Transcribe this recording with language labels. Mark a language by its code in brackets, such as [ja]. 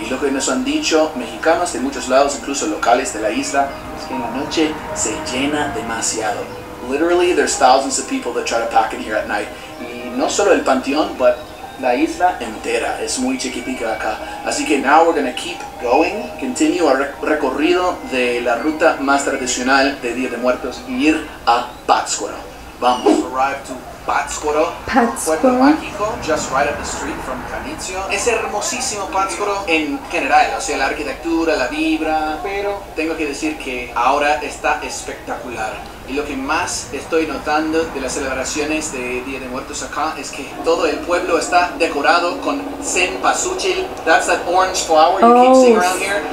[es] Y lo que nos han dicho mexicanos de muchos lados, incluso locales de la isla, es que en la noche se llena demasiado. [en] Literally, there's thousands of people that try to pack in here at night. [es] Y no solo el panteón, [en] but [es] la isla entera. Es muy chiquitica acá. Así que [en] now we're gonna keep going, continue our [es] recorrido de la ruta más tradicional de Día de Muertos, y ir a Pátzcuaro. Vamos. [en] Arrive to Pátzcuaro, Pátzcuaro, Puerto Mágico, just right up the street from Canizio. [es] Es hermosísimo Pátzcuaro en general, o sea, la arquitectura, la vibra, pero tengo que decir que ahora está espectacular. Y lo que más estoy notando de las celebraciones de Día de Muertos acá es que todo el pueblo está decorado con cempasúchil. [en] That's that orange flower you keep seeing around here.